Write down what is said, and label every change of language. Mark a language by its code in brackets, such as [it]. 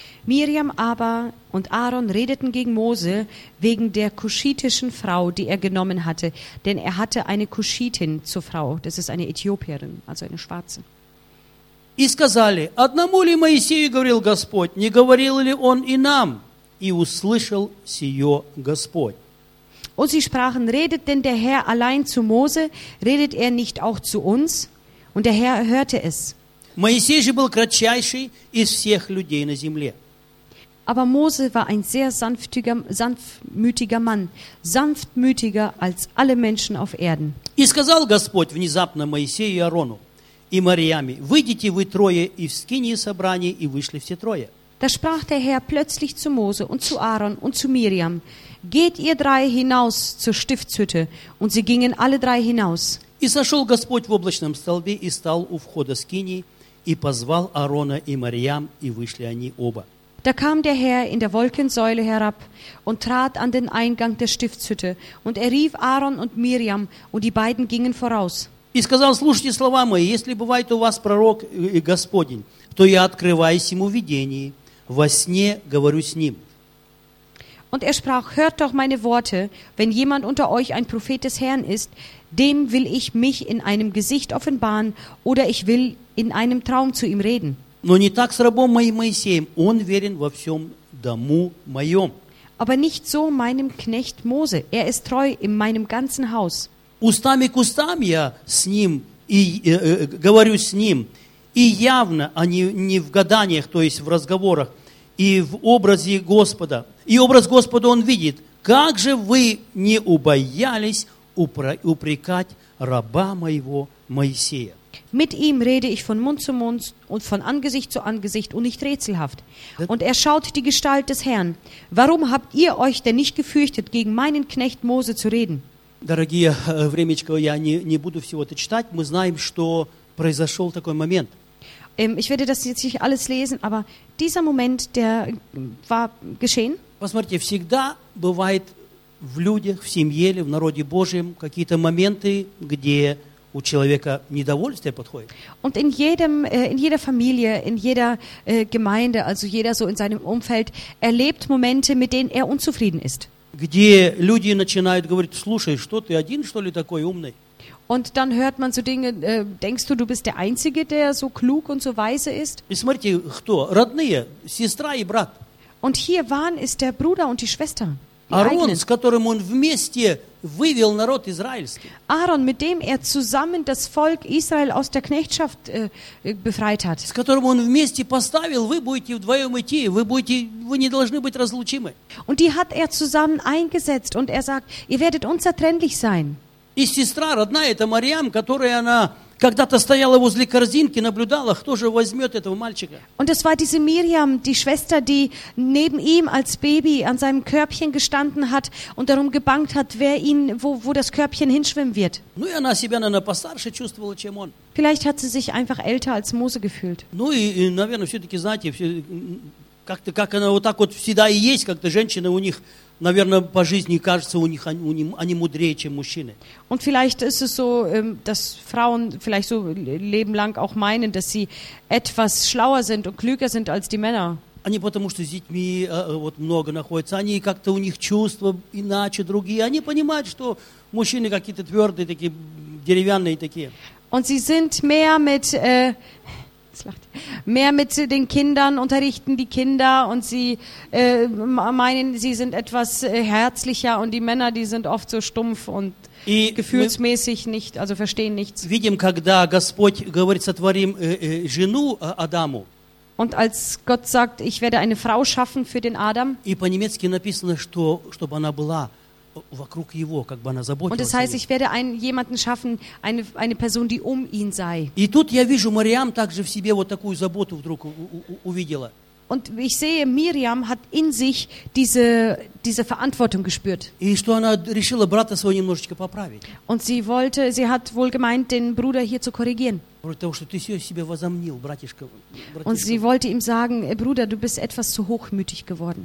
[de] Мириам aber und Aaron redeten gegen Mose wegen der kuschitischen Frau, die genommen hatte, denn hatte eine Kuschitin zur Frau, das ist eine Äthiopierin, also eine Schwarze. [ru] «И сказали, одному ли Моисею говорил Господь, не говорил ли он и нам? И услышал сие Господь». [de] Und sie sprachen, redet denn der Herr allein zu Mose, redet er nicht auch zu uns? Und der Herr hörte es. [ru] Моисей же был кратчайший из всех людей на земле. [de] Aber Mose war ein sehr sanftmütiger Mann, sanftmütiger als alle Menschen auf Erden. [ru] И сказал Господь внезапно Моисею и Аарону и Мариаме, выйдите вы трое и в скинии собрания, и вышли все трое. [de] Da sprach der Herr plötzlich zu Mose und zu Aaron und zu Miriam, geht ihr drei hinaus zur Stiftshütte. Und sie gingen alle drei hinaus. [ru] И сошел Господь в облачном столбе и стал у входа скинии и позвал Аарона и Мариам, и вышли они оба. [de] Da kam der Herr in der Wolkensäule herab und trat an den Eingang der Stiftshütte und rief Aaron und Miriam und die beiden gingen voraus. [ru] И сказал, слушайте слова мои, если бывает у вас пророк и Господень, то я открываюсь ему в видении, во сне говорю с ним. [de] Und sprach, hört doch meine Worte, wenn jemand unter euch ein Prophet des Herrn ist, dem will ich mich in einem Gesicht offenbaren oder ich will in einem Traum zu ihm reden. [ru] Но не так с рабом моим Моисеем, он верен во всем дому моем. [de] Aber nicht so meinem Knecht Mose, ist treu in meinem ganzen Haus. [ru] Устами к устам я с ним и говорю с ним, и явно, а не в гаданиях, то есть в разговорах, и в образе Господа. И образ Господа он видит. Как же вы не убоялись упрекать раба моего Моисея? [de] Mit ihm rede ich von Mund zu Mund und von Angesicht zu Angesicht und nicht rätselhaft. Und schaut die Gestalt des Herrn. Warum habt ihr euch denn nicht gefürchtet, gegen meinen Knecht Mose zu reden? [ru] Дорогие, времечко, я не буду всего это читать. Мы знаем, что произошел такой момент. [de] Ich werde das jetzt nicht alles lesen, aber dieser Moment, der war geschehen. [ru] Посмотрите, всегда бывает в людях, в семье или в народе Божьем какие-то моменты, где у человека недовольство подходит. [de] Und in jeder Familie, in jeder Gemeinde, also jeder so in seinem Umfeld, erlebt Momente, mit denen unzufrieden ist. [ru] где люди начинают говорить: «Слушай, что ты один, что ли, такой умный?» [de] Und dann hört man so Dinge, denkst du, du bist der Einzige, der so klug und so weise ist? [ru] И смотрите, кто? Родные, сестра и брат. [de] Und hier waren ist der Bruder und die Schwester. [ru] Аарон, с которым он вместе вывел народ израильский. [de] Аарон, mit dem er zusammen das Volk Israel aus der Knechtschaft befreit hat. [ru] С которым он вместе поставил: вы будете вдвоем идти, вы не должны быть разлучимы. [de] Und die hat er zusammen eingesetzt und er sagt, ihr werdet unzertrennlich sein. [ru] И сестра родная, это Марьям, которая она когда-то стояла возле корзинки, наблюдала, кто же возьмет этого мальчика. [de] Und es war diese Miriam, die Schwester, die neben ihm als Baby an seinem Körbchen gestanden hat und darum gebangt hat, wer ihn, wo das Körbchen hinschwimmen wird. [ru] Ну и она себя, наверное, постарше чувствовала, чем он. [de] Vielleicht hat sie sich einfach älter als Mose gefühlt. [ru] Ну и наверное, все-таки, знаете, все, как-то, как она вот так вот всегда и есть, как-то женщины у них... Наверное, по жизни кажется, они мудрее, чем мужчины. [de] Und vielleicht ist es so, dass Frauen vielleicht so leben lang auch meinen, dass sie etwas schlauer sind und klüger sind als die Männer. [ru] Они потому что с детьми вот много находятся, они как-то у них чувства иначе другие, они понимают, что мужчины какие-то твердые такие, деревянные такие. [de] Und sie sind mehr mit den Kindern, unterrichten die Kinder und sie meinen, sie sind etwas herzlicher und die Männer, die sind oft so stumpf und и gefühlsmäßig nicht, also verstehen nichts. [ru] Видим, когда Господь говорит, сотворим жену Адаму. [de] Und als Gott sagt, ich werde eine Frau schaffen für den Adam. [ru] И по-немецки написано, что, чтобы она была вокруг его, как бы она заботилась. [de] Und das heißt, ich werde jemanden schaffen, eine Person, die um ihn sei. [ru] И тут я вижу, Мариам также в себе вот такую заботу вдруг увидела. [de] Und ich sehe, Miriam hat in sich diese Verantwortung gespürt. [ru] И что она решила брата своего немножечко поправить. [de] Und sie hat wohl gemeint, den Bruder hier zu korrigieren. [ru] Потому что ты себя возомнил, братишка. [de] Und sie wollte ihm sagen, Bruder, du bist etwas zu hochmütig geworden.